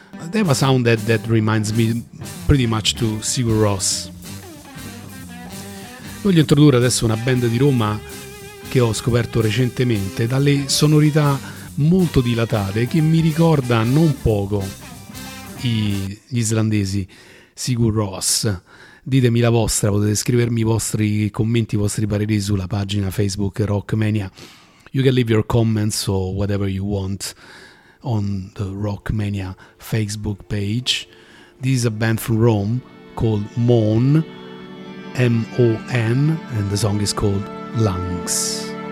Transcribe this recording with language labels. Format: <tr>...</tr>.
<en>They have a sound that reminds me pretty much to Sigur Rós.</en> <it>Voglio introdurre adesso una band di Roma che ho scoperto recentemente, dalle sonorità molto dilatate, che mi ricorda non poco gli islandesi Sigur Rós. Ditemi la vostra, potete scrivermi i vostri commenti, i vostri pareri sulla pagina Facebook Rockmania.</it> <en>You can leave your comments or whatever you want on the Rockmania Facebook page. This is a band from Rome called Mon, M-O-N, and the song is called Lungs.</en>